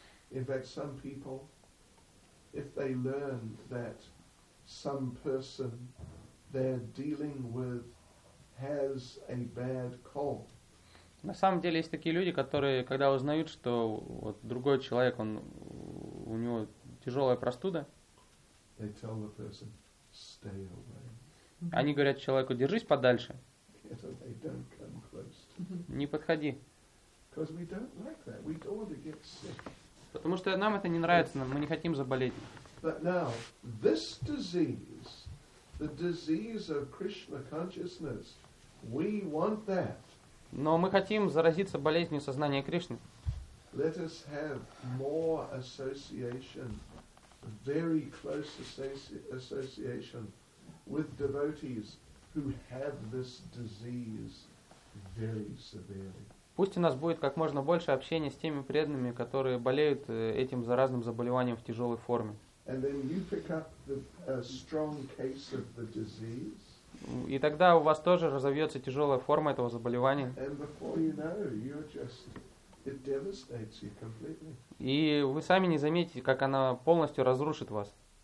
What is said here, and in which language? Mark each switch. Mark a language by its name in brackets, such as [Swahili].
[English] In fact, some people, if they learn that some person they're dealing with has a bad cold. [Russian] На самом деле есть такие люди, которые, когда узнают, что вот другой человек, он, у него тяжелая простуда, [English] they tell the person, stay away. [Russian] Они говорят человеку, держись подальше. [English] They don't come close to me. [Russian] Не подходи. [English] Because we don't like that. We don't want to get sick. [Russian] Потому что нам это не нравится, нам, мы не хотим заболеть. [English] But now, this disease, the disease of Krishna consciousness, we want that. [Russian] Но мы хотим заразиться болезнью сознания Кришны. [English] Let us have more association, very close association with devotees who have this disease very severely. [Russian] Пусть у нас будет как можно больше общения с теми преданными, которые болеют этим заразным заболеванием в тяжелой форме. [English] And then you pick up the strong case of the disease. [Russian] И тогда у вас тоже разовьется тяжелая форма этого заболевания. [English] And before you know, you're just, it devastates you completely. [Russian] И вы сами не заметите, как она полностью разрушит вас.